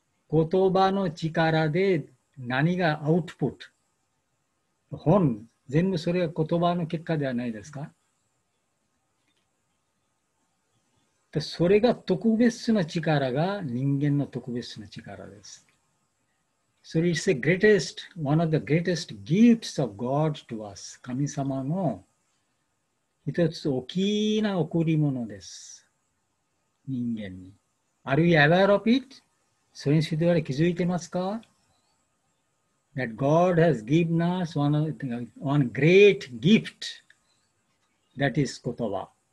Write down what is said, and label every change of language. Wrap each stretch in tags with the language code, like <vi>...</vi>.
<ja>言葉の力で何がアウトプット。本、全部それが言葉の結果ではないですか？それが特別な力が人間の特別な力です。</ja> <en>So it's the greatest, one of the greatest gifts of God to us.</en> <ja>神様の一つ大きな贈り物です。人間に。</ja> <en>Are you aware of it?</en> <ja>それについては気づいてますか</ja> <en>?That God has given us one great gift that is</en> <ja>言葉。</ja>